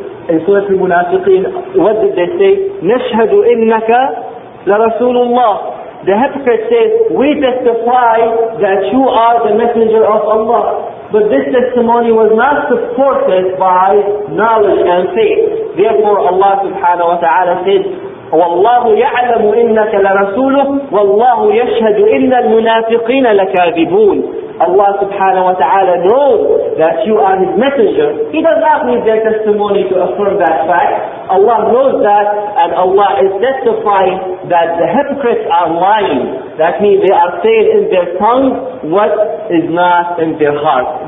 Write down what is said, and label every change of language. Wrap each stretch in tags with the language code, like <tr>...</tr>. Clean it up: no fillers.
<en>In Surah Al-Munafiqun, what did they say?</en> <ar>نَشْهَدُ إِنَّكَ لَرَسُولُ اللَّهِ.</ar> <en>The hypocrite says, we testify that you are the messenger of Allah. But this testimony was not supported by knowledge and faith. Therefore Allah subhanahu wa ta'ala said,</en> <ar>وَاللَّهُ يَعْلَمُ إِنَّكَ لَرَسُولُهُ وَاللَّهُ يَشْهَدُ إِنَّ الْمُنَافِقِينَ لَكَاذِبُونَ.</ar> <en>Allah subhanahu wa ta'ala knows that you are His messenger. He does not need their testimony to affirm that fact. Allah knows that, and Allah is testifying that the hypocrites are lying. That means they are saying in their tongue what is not in their heart.</en>